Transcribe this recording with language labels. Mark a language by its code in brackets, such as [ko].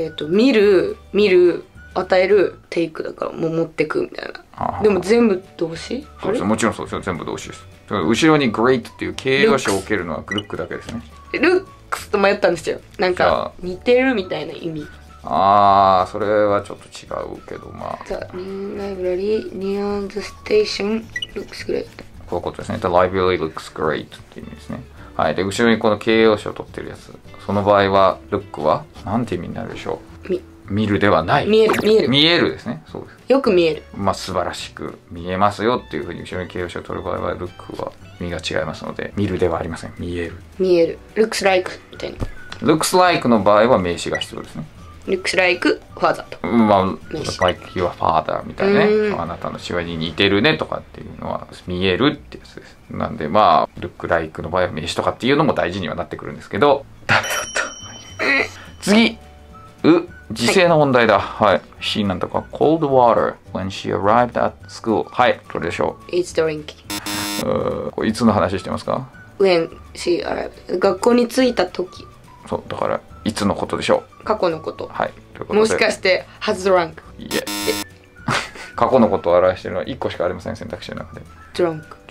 [ja] 見る、見る、与える、 take だからもう持ってくみたいな。はあはあ、でも全部動詞。そうです、もちろんそうですよ、全部動詞です。後ろに great っていう形容詞を置けるのはルックだけですね。ルックと迷ったんですよ。なんか似てるみたいな意味。ああ、それはちょっと違うけど、まあ。 [en] The new library near the station looks great。 [ja] こういうことですね。 [en] The library looks great [ja] っていう意味ですね。はい。で、後ろにこの形容詞を取ってるやつ。その場合は、look は何て意味になるでしょう。見るではない。見える、見える。見えるですね。そうです。よく見える。まあ、素晴らしく見えますよっていうふうに後ろに形容詞を取る場合は、look は。意味が違いますので、見るではありません。見える、見える、 looks like みたいな。 looks like の場合は名詞が必要ですね。 [en] looks like father と、 [ja] まあ、like your father みたいなね、あなたの父親に似てるねとかっていうのは見えるってやつです。なんで、まあ、look like の場合は名詞とかっていうのも大事にはなってくるんですけど、ダメだった。次、う、時制の問題だ。はい。 [en] She なんとか cold water when she arrived at school。 [ja] はい、どれでしょう。 [en] it's drinking。 [ja] これいつの話してますか。 [en] When she arrived、 [ja] 学校に着いた時。そう、だからいつのことでしょう。過去のこと。はい、ということで、もしかして [en] has drunk。 [ja] いえ、過去のことを表しているのは1個しかありません、選択肢の中で。 [en] drunk